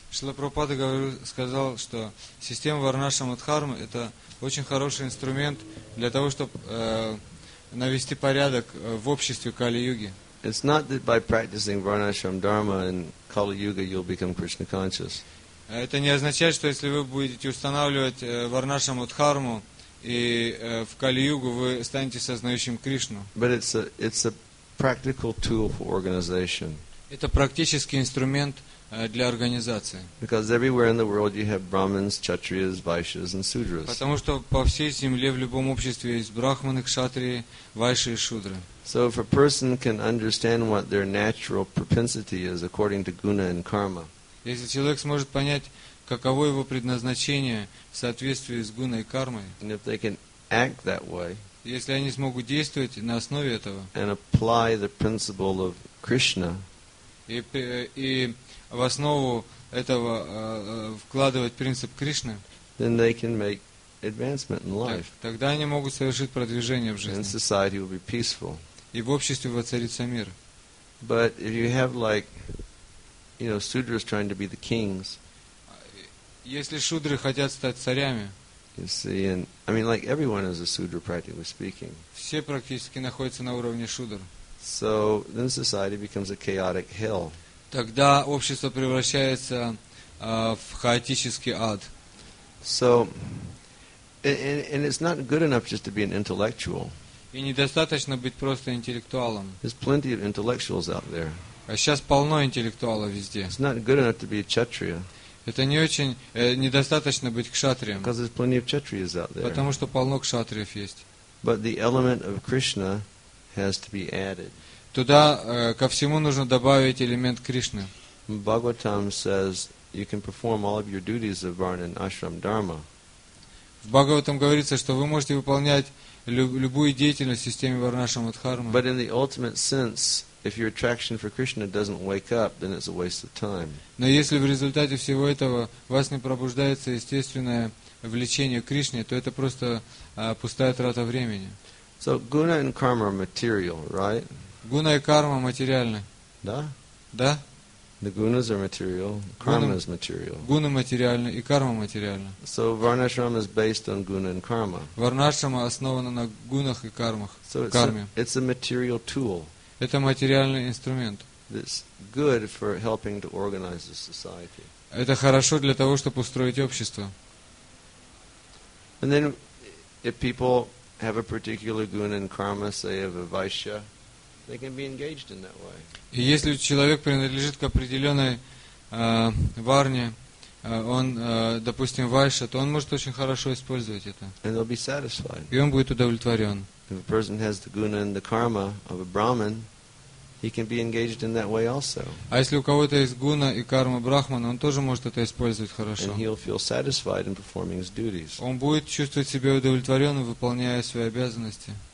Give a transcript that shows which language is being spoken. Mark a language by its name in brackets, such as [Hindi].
[Russian] Srila Prabhupada сказал, что система Варнашрама Дхармы это очень хороший инструмент для того, чтобы навести порядок в обществе Кали Юги. [English] It's not that by practicing Varnashram Dharma in Kali Yuga you'll become Krishna conscious. [Russian] Это не означает, что если вы будете устанавливать Варнашраму Дхарму и в Кали-Югу, вы станете сознающим Кришну. [English] But it's a practical tool for organization. [Russian] Это практический инструмент для организации. [English] Because everywhere in the world you have Brahmins, Kshatriyas, Vaishyas and Sudras. [Russian] Потому что по всей земле в любом обществе есть Брахманы, Кшатрии, Вайши и Шудры. [English] So if a person can understand what their natural propensity is according to Guna and Karma, [Russian] если человек сможет понять, каково его предназначение в соответствии с гуной и кармой, [English] and if they can act that way, [Russian] если они смогут действовать на основе этого [English] and apply the principle of Krishna, [Russian] и в основу этого вкладывать принцип Кришны, [English] then they can make advancement in life. [Russian] Тогда они могут совершить продвижение в жизни. [English] And society will be peaceful. [Russian] И в обществе воцарится мир. [English] But if you have like, you know, Sudras trying to be the kings. [Russian] Если шудры хотят стать царями. [English] You see, and I mean, like everyone is a Sudra, practically speaking. [Russian] Все практически находятся на уровне шудр. [English] So then society becomes a chaotic hell. [Russian] Тогда общество превращается в хаотический ад. [English] So, and it's not good enough just to be an intellectual. [Russian] И недостаточно быть просто интеллектуалом. [English] There's plenty of intellectuals out there. [Russian] А сейчас полно интеллектуалов везде. [English] It's not good enough to be a kshatriya. [Russian] Это не очень недостаточно быть кшатрием. [English] Because there's plenty of kshatriyas out there. [Russian] Потому что полно кшатриев есть. [English] But the element of Krishna has to be added. [Russian] Туда ко всему нужно добавить элемент Кришны. [English] Bhagavatam says you can perform all of your duties of varna and ashram dharma. [Russian] В Бхагаватам говорится, что вы можете выполнять любую деятельность в системе Варнашрама Дхармы. [English] But in the ultimate sense, if your attraction for Krishna doesn't wake up, then it's a waste of time. [Russian] Но если в результате всего этого вас не пробуждается естественное влечение к Кришне, то это просто пустая трата времени. [English] So guna and karma are material, right? [Russian] Гуна и карма материальны. Да? Да. [English] The gunas are material, karma is material. [Russian] Гуна материальна и карма материальна. [English] So Varnashrama is based on guna and karma. [Russian] Варнашрама основана на гунах и кармах. [English] So it's a material tool. [Russian] Это материальный инструмент. [English] It's good for helping to organize the society. [Russian] Это хорошо для того, чтобы устроить общество. [English] And then, if people have a particular guna and karma, say of a vaishya, they can be engaged in that way. [Russian] И если человек принадлежит к определенной Варни, он, допустим, вайша, то он может очень хорошо использовать это. [English] And they'll be satisfied. [Russian] И он будет удовлетворен. [English] If a person has the guna and the karma of a brahmin, he can be engaged in that way also. [Russian] А если у кого-то есть гуна и карма брахмана, он тоже может это использовать хорошо. [English] And he'll feel satisfied in performing his duties. [Russian] Он будет чувствовать себя удовлетворенным, выполняя свои обязанности.